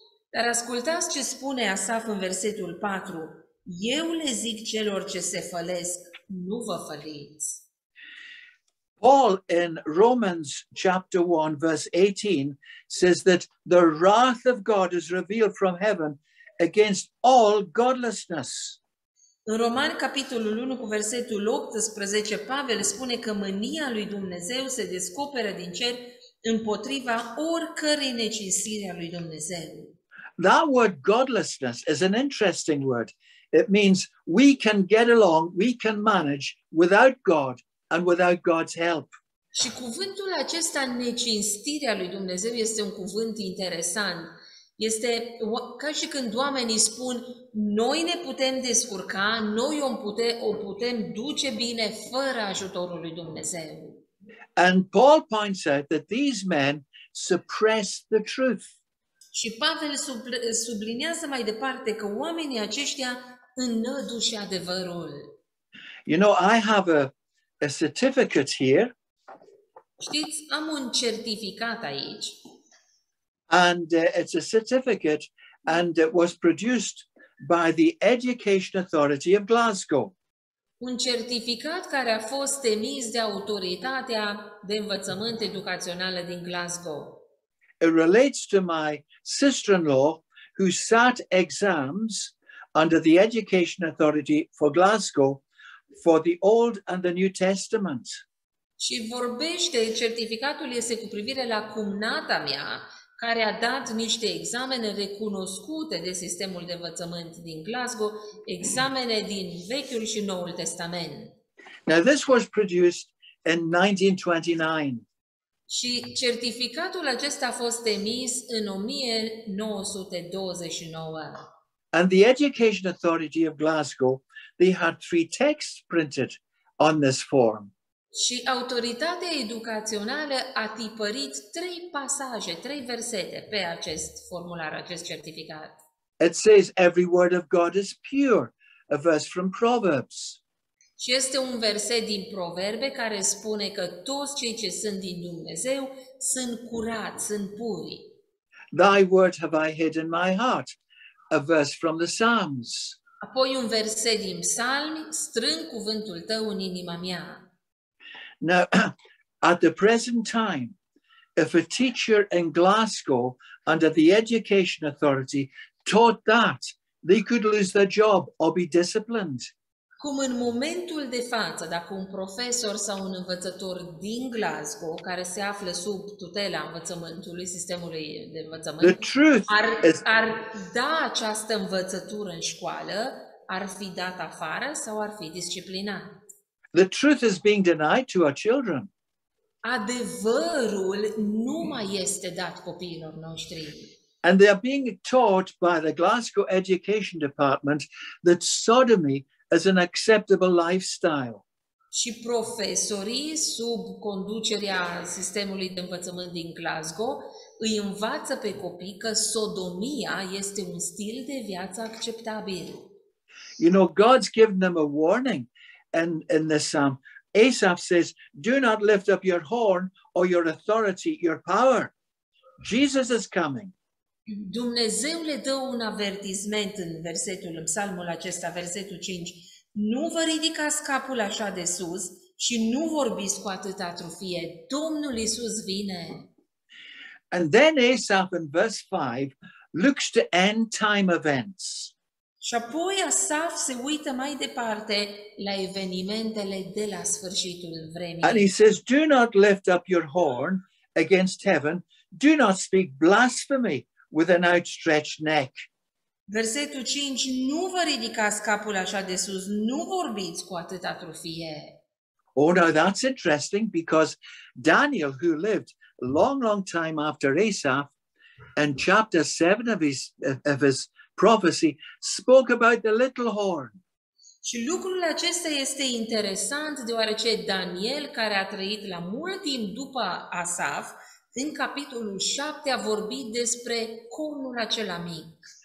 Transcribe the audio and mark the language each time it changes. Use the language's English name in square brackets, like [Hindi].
[Romanian] Dar ascultați ce spune Asaf în versetul 4. Eu le zic celor ce se fălesc, nu vă făliți. [English] Paul in Romans chapter 1 verse 18 says that the wrath of God is revealed from heaven against all godlessness. [Romanian] În Romani capitolul 1 cu versetul 18 Pavel spune că mânia lui Dumnezeu se descoperă din cer împotriva oricărei necinstiri a lui Dumnezeu. [English] That word godlessness is an interesting word. It means we can get along, we can manage without God and without God's help. [Romanian] Și cuvântul acesta necinstirea lui Dumnezeu este un cuvânt interesant. Este ca și când oamenii spun noi ne putem descurca, noi o putem duce bine fără ajutorul lui Dumnezeu. [English] And Paul points out that these men suppress the truth. [Romanian] Și Pavel subliniază mai departe că oamenii aceștia înnădușe adevărul. [English] You know, I have a certificate here. [Romanian] Știți, am un certificat aici. [English] And it's a certificate and it was produced by the Education Authority of Glasgow. [Romanian] Un certificat care a fost emis de Autoritatea de Învățământ Educațională din Glasgow. [English] It relates to my sister-in-law who sat exams under the Education Authority for Glasgow for the Old and the New Testament. [Romanian] Și vorbește, certificatul este cu privire la cumnata mea, care a dat niște examene recunoscute de sistemul de învățământ din Glasgow, examene din Vechiul și Noul Testament. [English] Now this was produced in 1929. [Romanian] Și certificatul acesta a fost emis în 1929. [English] And the Education Authority of Glasgow, they had three texts printed on this form. [Romanian] Și autoritatea educațională a tipărit trei pasaje, trei versete pe acest formular, acest certificat. [English] It says every word of God is pure, a verse from Proverbs. [Romanian] Și este un verset din Proverbe care spune că toți cei ce sunt din Dumnezeu sunt curați, sunt puri. [English] Thy word have I hid in my heart, a verse from the Psalms. [Romanian] Apoi un verset din Psalmi, strâng cuvântul tău în inima mea. [English] Now, at the present time, if a teacher in Glasgow under the Education Authority taught that, they could lose their job or be disciplined. [Romanian] Cum în momentul de față, dacă un profesor sau un învățător din Glasgow care se află sub tutela învățământului, sistemului de învățământ, [English] the truth [Romanian] ar da această învățătură în școală, ar fi dat afară sau ar fi disciplinat. [English] The truth is being denied to our children. [Romanian] Adevărul nu mai este dat copiilor noștri. [English] And they are being taught by the Glasgow Education Department that sodomy is an acceptable lifestyle. [Romanian] Și profesorii sub conducerea sistemului de învățământ din Glasgow îi învață pe copii că sodomia este un stil de viață acceptabil. [English] You know, God's given them a warning. In this psalm, Asaf says, do not lift up your horn or your authority, your power. Jesus is coming. [Romanian] Dumnezeu le dă un avertisment în versetul, în psalmul acesta, versetul 5. Nu vă ridicați capul așa de sus și nu vorbiți cu atâta trufie. Domnul Iisus vine. [English] And then Asaf in verse 5 looks to end time events. [Romanian] Și apoi Asaf se uită mai departe la evenimentele de la sfârșitul vremii. [English] And he says, do not lift up your horn against heaven. Do not speak blasphemy with an outstretched neck. [Romanian] Versetul 5, nu vă ridicați capul așa de sus, nu vorbiți cu atâta trufie. [English] Oh, now that's interesting because Daniel, who lived long, long time after Asaf, in chapter 7 of his prophecy spoke about the little horn. [Romanian] Și lucrul acesta este interesant deoarece Daniel, care a trăit la mult timp după Asaf, în capitolul 7 a vorbit despre cornul acela mic.